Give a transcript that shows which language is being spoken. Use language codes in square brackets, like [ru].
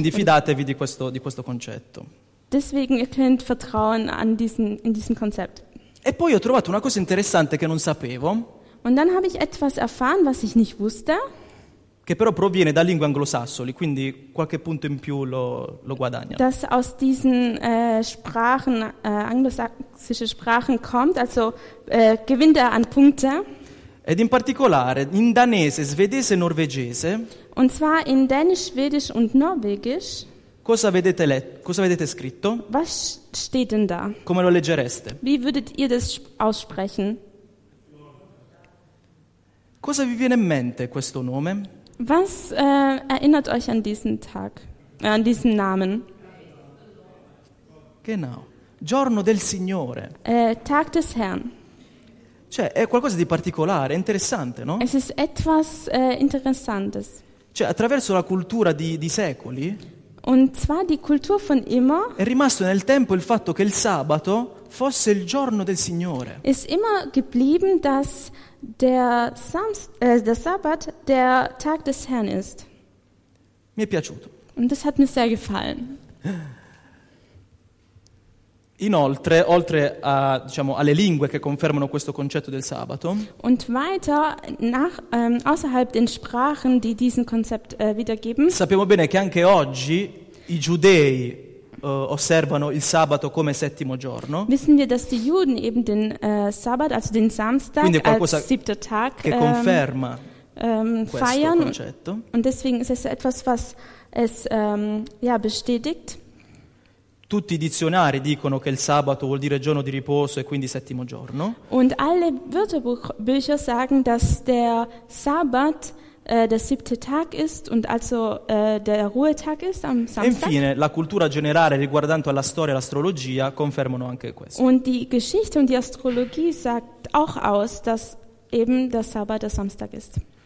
[it] Quindi fidatevi di questo concetto. [de] Deswegen ihr könnt vertrauen in diesem Konzept. [it] E poi ho trovato una cosa interessante che non sapevo. [de] Und dann habe ich etwas erfahren, was ich nicht wusste. [it] Che però proviene da lingue anglosassoni, quindi qualche punto in più lo guadagna. [de] Das aus diesen Sprachen anglosassische Sprachen kommt, also gewinnt er an Punkte. [it] Ed in particolare in danese, svedese e norvegese. [de] Und zwar in Dänisch, Schwedisch und Norwegisch. [it] Cosa vedete scritto? [de] Was steht denn da? [it] Come lo leggereste? [de] Wie würdet ihr das aussprechen? [it] Cosa vi viene in mente questo nome? [de] Was erinnert euch an diesen Tag, an diesen Namen? Genau. [it] Giorno del Signore. [de] Tag des Herrn. [it] Cioè, è qualcosa di particolare, interessante, no? [de] Es ist etwas Interessantes. [it] Cioè, attraverso la cultura di secoli. [de] Und zwar die Kultur von immer. [it] È rimasto nel tempo il fatto che il sabato fosse il giorno del Signore. [de] Ist immer geblieben, dass der Sabbat der Tag des Herrn ist. [it] Mi è piaciuto. [de] Und das hat mir sehr gefallen. [it] Inoltre, oltre a, diciamo, alle lingue che confermano questo concetto del sabato. [de] Und weiter nach außerhalb den Sprachen, die diesen Konzept wiedergeben. [it] Sappiamo bene che anche oggi i giudei osservano il sabato come settimo giorno. [de] Wissen wir, dass die Juden eben den Sabbat, also den Samstag, [it] quindi qualcosa [de] als siebter Tag, [it] che conferma [de] feiern, [it] questo concetto. [de] Und deswegen ist es etwas, was es bestätigt. [it] Tutti i dizionari dicono che il sabato vuol dire giorno di riposo e quindi settimo giorno. [de] Und alle Wörterbücher sagen, dass der Sabbat der siebte Tag ist und also der Ruhetag ist am Samstag. [it] E infine, la cultura generale riguardante alla storia e l'astrologia confermano anche questo. [de] Und die Geschichte und die Astrologie sagt auch aus, dass eben der Sabbat der Samstag ist.